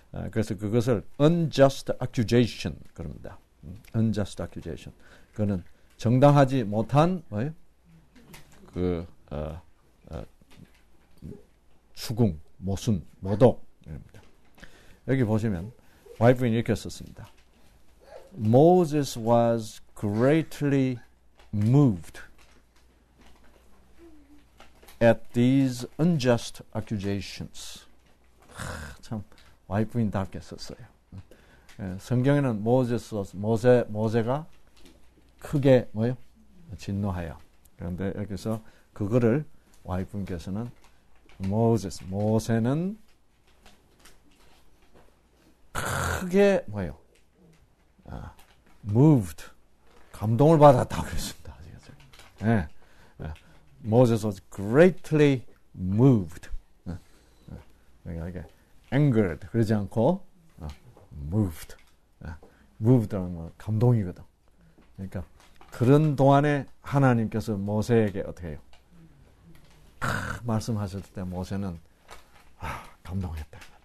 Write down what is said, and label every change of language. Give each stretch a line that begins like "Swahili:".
Korean: 그래서 그것을
English: unjust accusation
Korean: 그럽니다.
English: unjust accusation.
Korean: 그거는 정당하지 못한 뭐예요? 그 추궁, 모순, 모독입니다. 여기 보시면 와이프는 이렇게 썼습니다.
English: Moses was greatly moved at these unjust accusations.
Korean: 참 와이프인답게 썼어요. 성경에는 모세가 크게 뭐요? 진노하여. 그런데 여기서 그거를 와이프께서는 모세는 크게 뭐요? moved, 감동을 받았다 그랬습니다. 아시겠어요? 예. 모세는
English: greatly moved.
Korean: 그러니까 angered 그러지 않고 moved. moved라는 건 감동이거든. 그러니까 그런 동안에 하나님께서 모세에게 어떻게 해요? 말씀하셨을 때 모세는 감동했다.